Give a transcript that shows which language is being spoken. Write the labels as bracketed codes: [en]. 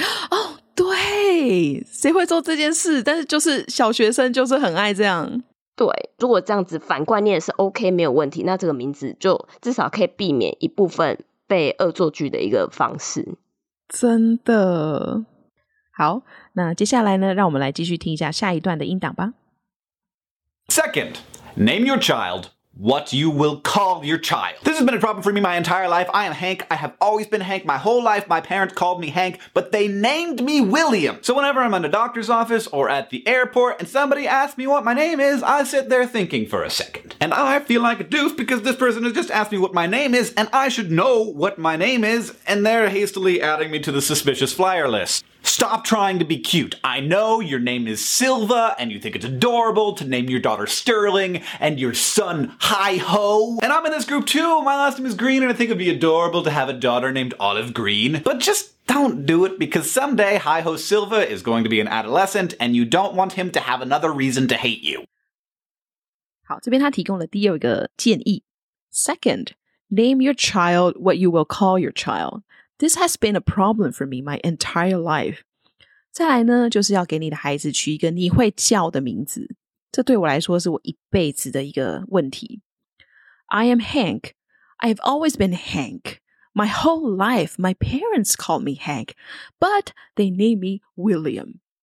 [zh] 哦对，谁会做这件事，但是就是小学生就是很爱这样。对，如果这样子反过来念是 OK 没有问题，那这个名字就至少可以避免一部分被恶作剧的一个方式。真的。好，那接下来呢让我们来继续听一下下一段的音档吧。 [en] Second, name your childWhat you will call your child. This has been a problem for me my entire life. I am Hank. I have always been Hank. My whole life, my parents called me Hank, but they named me William. So whenever I'm in a doctor's office or at the airport and somebody asks me what my name is, I sit there thinking for a second. And I feel like a doof because this person has just asked me what my name is and I should know what my name is, and they're hastily adding me to the suspicious flyer list. Stop trying to be cute. I know your name is Silva, and you think it's adorable to name your daughter Sterling, and your son Hi-Ho. And I'm in this group too. My last name is Green, and I think it'd be adorable to have a daughter named Olive Green. But just don't do it, because someday Hi-Ho Silva is going to be an adolescent, and you don't want him to have another reason to hate you. [zh] 好，这边他提供了第二个建议。 [en] Second, name your child what you will call your child. This has been a problem for me my entire life. [zh] 再来呢，就是要给你的孩子取一个你会叫的名字。这对我来说是我一辈子的一个问题。 [en] I am Hank. I've always been Hank. My whole life, my parents called me Hank. But they named me William.